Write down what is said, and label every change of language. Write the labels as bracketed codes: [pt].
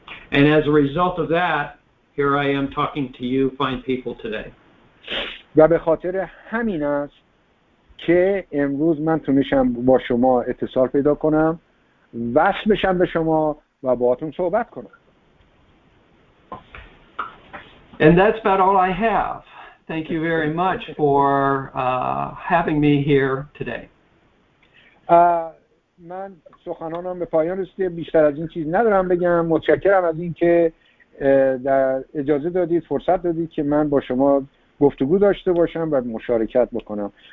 [en] And as a result of that, here I am talking to you fine people today. [fa] و به خاطر همین است که امروز من تونستم با شما اتصال پیدا کنم، وصل بشم به شما و باهاتون صحبت کنم. [en] And that's about all I have. Thank you very much for having me here today. [fa] من سخنانم به پایان رسید. بیشتر از این چیز ندارم بگم. متشکرم از اینکه در اجازه دادید، فرصت دادید که من با شما گفتگو داشته باشم و مشارکت بکنم.